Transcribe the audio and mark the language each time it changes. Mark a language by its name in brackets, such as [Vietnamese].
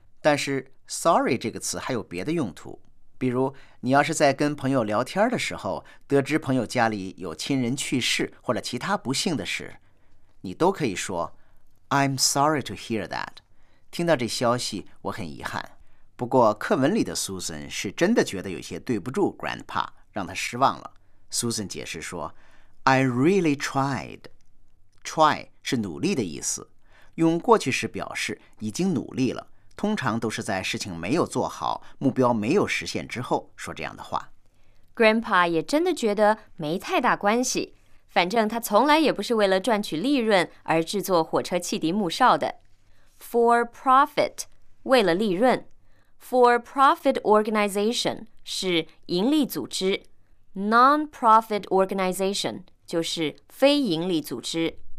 [Chinese] 但是 sorry 这个词还有别的用途，比如你要是在跟朋友聊天的时候得知朋友家里有亲人去世或者其他不幸的事，你都可以说 [English] I'm sorry to hear that. [Chinese] 听到这消息我很遗憾。不过课文里的 Susan 是真的觉得有些对不住 Grandpa, 让他失望了。 Susan 解释说 [English] I really tried. [Chinese] Try 是努力的意思，用过去时表示已经努力了，通常都是在事情没有做好，目标没有实现之后说这样的话。 Grandpa 也真的觉得没太大关系。反正他从来也不是为了赚取利润而制作火车汽笛木哨的。 [English] For profit, [Chinese] 为了利润。 [English] For profit organization [Chinese] 是盈利组织。 [English] Non-profit organization [Chinese] 就是非盈利组织。